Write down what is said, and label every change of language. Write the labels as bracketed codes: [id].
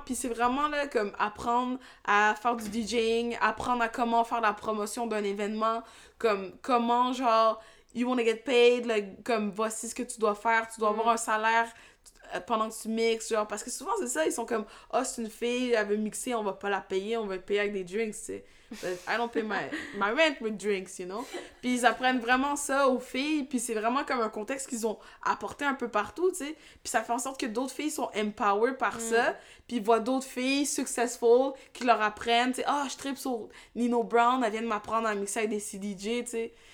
[fr] Puis c'est vraiment, là, comme apprendre à faire du DJing, apprendre à comment faire la promotion d'un événement, comme comment, genre... [en] You wanna get paid, like, [fr] comme voici ce que tu dois faire, tu dois avoir un salaire pendant que tu mixes, genre, parce que souvent c'est ça, ils sont comme, oh, c'est une fille, elle veut mixer, on va pas la payer, on va payer avec des drinks, tu sais. [en] But I don't pay my rent with drinks, you know? [fr] Puis ils apprennent vraiment ça aux filles, puis c'est vraiment comme un contexte qu'ils ont apporté un peu partout, tu sais. Puis ça fait en sorte que d'autres filles sont empowered par ça, puis ils voient d'autres filles successful qui leur apprennent, tu sais. Oh, je trippe sur Nino Brown, elle vient de m'apprendre à mixer avec des CDJ, tu sais.